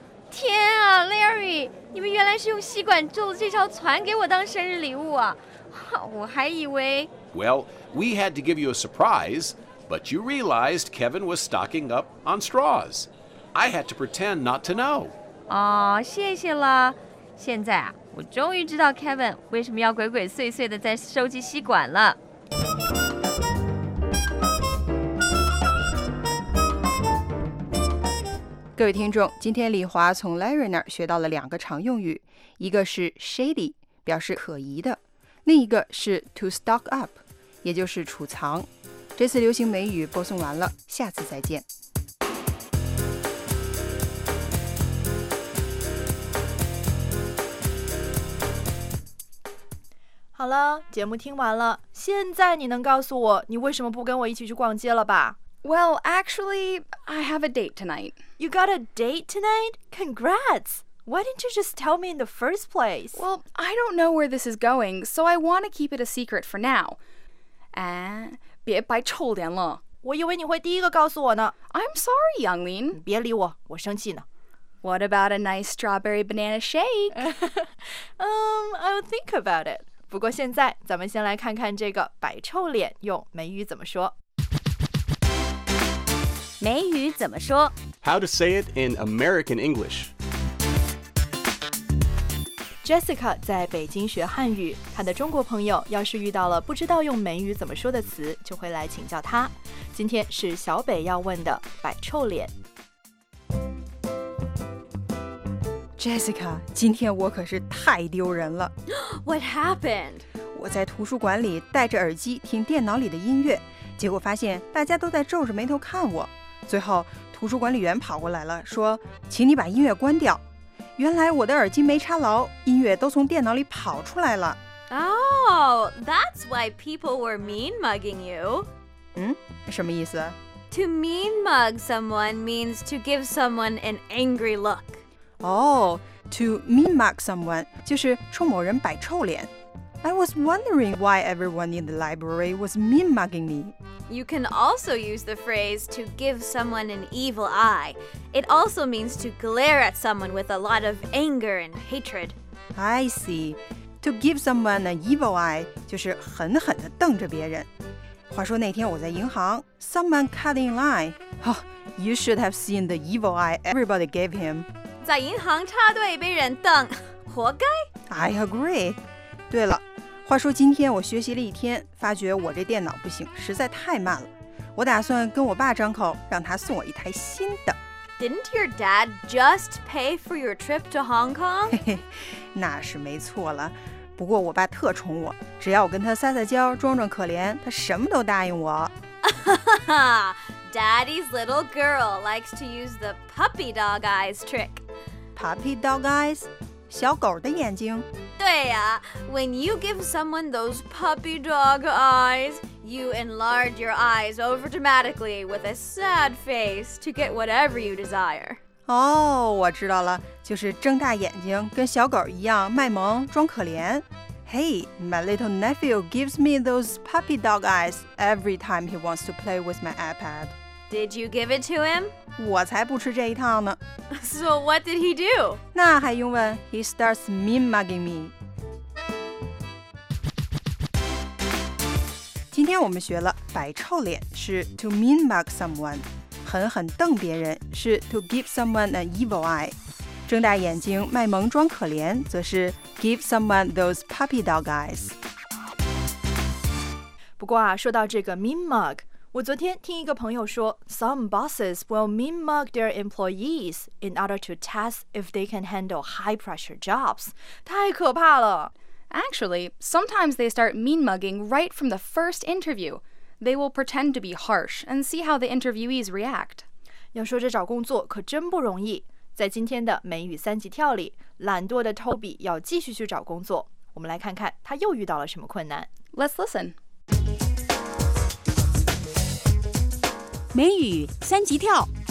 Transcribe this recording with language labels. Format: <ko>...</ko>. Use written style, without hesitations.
<zh>天啊 ，Larry， 你们原来是用吸管做了这条船给我当生日礼物啊！我还以为</zh> <en>……Well, we had to give you a surprise, but you realized Kevin was stocking up on straws. I had to pretend not to know.</en> <zh>哦，谢谢了。现在啊，我终于知道 Kevin 为什么要鬼鬼祟祟的在收集吸管了。各位听众，今天李华从 Larry 那儿学到了两个常用语，一个是 shady， 表示可疑的，另一个是 to stock up， 也就是储藏。这次流行美语播送完了，下次再见。好了，节目听完了，现在你能告诉我你为什么不跟我一起去逛街了吧？</zh> <en>Well, actually, I have a date tonight. You got a date tonight? Congrats! Why didn't you just tell me in the first place? Well, I don't know where this is going, so I want to keep it a secret for now.</en> <zh>别白臭脸了。我以为你会第一个告诉我呢。</zh> <en>I'm sorry, Yanglin.</en> <zh>别理我，我生气呢。</zh> <en>What about a nice strawberry banana shake? I'll think about it.</en> <zh>不过现在，咱们先来看看这个白臭脸用美语怎么说。美语怎么说</zh> <en>？How to say it in American English?</en> <zh>Jessica 在北京学汉语，她的中国朋友要是遇到了不知道用美语怎么说的词，就会来请教她。今天是小北要问的摆臭脸。 Jessica， 今天我可是太丢人了。</zh> <en>What happened?</en> <zh>我在图书馆里戴着耳机听电脑里的音乐，结果发现大家都在皱着眉头看我。最后图书管理员跑过来了，说请你把音乐关掉。原来我的耳机没插牢，音乐都从电脑里跑出来了。</zh> <en>Oh, that's why people were mean mugging you.</en> <zh>什么意思？</zh> <en>To mean mug someone means to give someone an angry look.</en> <zh>To mean mug someone 就是冲某人摆臭脸。</zh> <en>I was wondering why everyone in the library was mean mugging me. You can also use the phrase to give someone an evil eye. It also means to glare at someone with a lot of anger and hatred. I see. To give someone an evil eye</en> <zh>就是狠狠地瞪着别人。话说那天我在银行，</zh> <en>someone cut in line. Oh, you should have seen the evil eye everybody gave him.</en> <zh>在银行插队被人瞪，活该。</zh> <en>I agree.</en> <zh>对了，话说今天我学习了一天，发觉我这电脑不行，实在太慢了。我打算跟我爸张口，让他送我一台新的。</zh> <en>Didn't your dad just pay for your trip to Hong Kong?</en> <zh>那是没错了，不过我爸特宠我，只要我跟他撒撒娇，装装可怜，他什么都答应我。</zh> <en>Daddy's little girl likes to use the puppy dog eyes trick. Puppy dog eyes?</en> <zh>小狗的眼睛？</zh> <en>对呀、啊、When you give someone those puppy dog eyes, you enlarge your eyes over dramatically with a sad face to get whatever you desire.</en> <zh>哦、oh, 我知道了，就是睁大眼睛跟小狗一样卖萌装可怜。</zh> <en>Hey, my little nephew gives me those puppy dog eyes every time he wants to play with my iPad. Did you give it to him?</en> <zh>我才不吃这一套呢。</zh> <en>So what did he do?</en> <zh>那还用问？</zh> <en>He starts mean mugging me.</en> <zh>今天我们学了摆臭脸是 to mean mug someone， 狠狠瞪别人是 to give someone an evil eye。睁大眼睛卖萌装可怜则是 give someone those puppy dog eyes。不过啊，说到这个 mean mug， 我昨天听一个朋友说</zh> <en>some bosses will mean mug their employees in order to test if they can handle high pressure jobs，</en> <zh>太可怕了。</zh> <en>Actually, sometimes they start mean mugging right from the first interview. They will pretend to be harsh and see how the interviewees react.</en> <zh>要说这找工作可真不容易，在今天的美语三级跳里，懒惰的 Toby 要继续去找工作。我们来看看他又遇到了什么困难。</zh> <en>Let's listen.</en> <zh>美语三级跳。</zh>